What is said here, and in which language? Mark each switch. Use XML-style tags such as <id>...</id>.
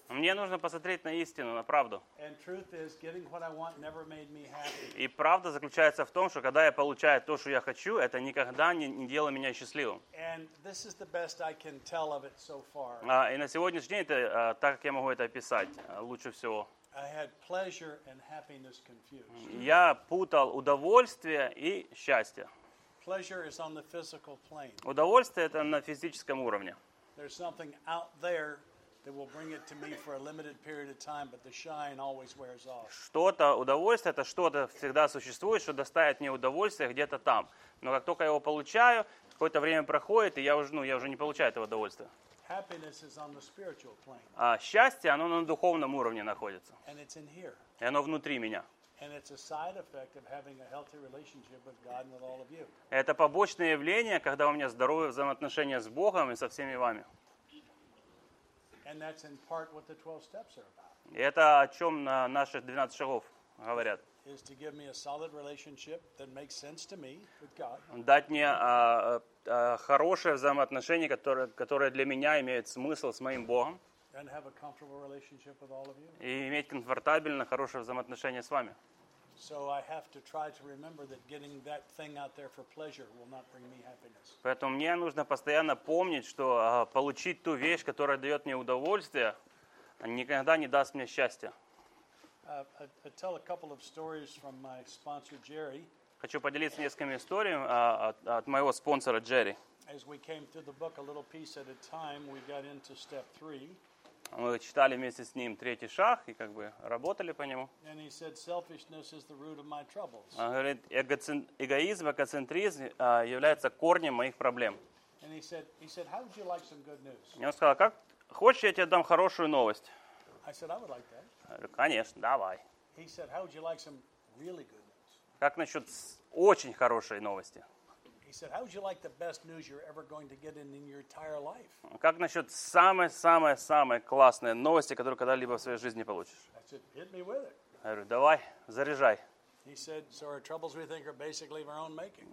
<ru>Мне нужно посмотреть на истину, на правду.</ru> <en>And truth is, getting what I want never made me happy.</en> <ru>И правда заключается в том, что когда я получаю то, что я хочу, это никогда не делало меня счастливым.</ru> <en>And this is the best I can tell of it so far.</en> <ru>И на сегодняшний день это так, как я могу это описать, лучше всего.</ru> <en>I had pleasure and happiness confused.</en> <ru>Я путал удовольствие и счастье.</ru> <en>Pleasure is on the physical plane.</en> <ru>Удовольствие это на физическом уровне.</ru> <en>There's something out there that will bring it to me for a limited period of time, but the shine always wears off.</en> <ru>Что-то удовольствие, это что-то всегда существует, что доставит мне удовольствие где-то там. Но как только я его получаю, какое-то время проходит, и я уже не получаю этого удовольствия.</ru> <en>Happiness is on the spiritual plane.</en> <ru>А счастье, оно на духовном уровне находится.</ru> <en>And it's in here.</en> <ru>И оно внутри меня.</ru> <en>And it's a side effect of having a healthy relationship with God and with all of you.</en> <ru>Это побочное явление, когда у меня здоровые взаимоотношения с Богом и со всеми вами.</ru> <en>And that's in part what the 12 steps are about.</en> <ru>Это о чем на наших 12 шагов говорят.</ru> <en>Is to give me a solid relationship that makes sense to me with God.</en> <ru>Дать мне хорошее взаимоотношение, которое для меня имеет смысл с моим Богом.</ru> <en>And have a comfortable relationship with all of you.</en> <ru>И иметь комфортабельно хорошее взаимоотношение с вами.</ru> <en>So I have to try to remember that getting that thing out there for pleasure will not bring me happiness.</en> <ru>Поэтому мне нужно постоянно помнить, что получить ту вещь, которая дает мне удовольствие, никогда не даст мне счастья.</ru> <en>I tell a couple of stories from my sponsor Jerry.</en> <ru>Хочу поделиться несколькими историями от моего спонсора Джерри.</ru> <en>As we came through the book a little piece at a time, we got into step three.</en> <ru>Мы читали вместе с ним третий шаг и работали по нему.</ru> <en>And he said, selfishness is the root of my troubles.</en> <ru>Он говорит, эгоизм, эгоцентризм является корнем моих проблем.</ru> <en>And he said, how would you like some good news?</en> <ru>И он сказал, как хочешь, я тебе дам хорошую новость.</ru> <en>I said, I would like that.</en> <ru>Я говорю, конечно, давай.</ru> <en>He said, how would you like some really good news?</en> <ru>Как насчет очень хорошей новости?</ru> <en>He said, "How would you like the best news you're ever going to get in your entire life?"</en> <ru>Как насчет самой классной новости, которую когда-либо в своей жизни получишь?</ru> <en>I said, "Hit me with it."</en> <ru>Я говорю, давай, заряжай.</ru> <en>He said, "So our troubles we think are basically our own making."</en>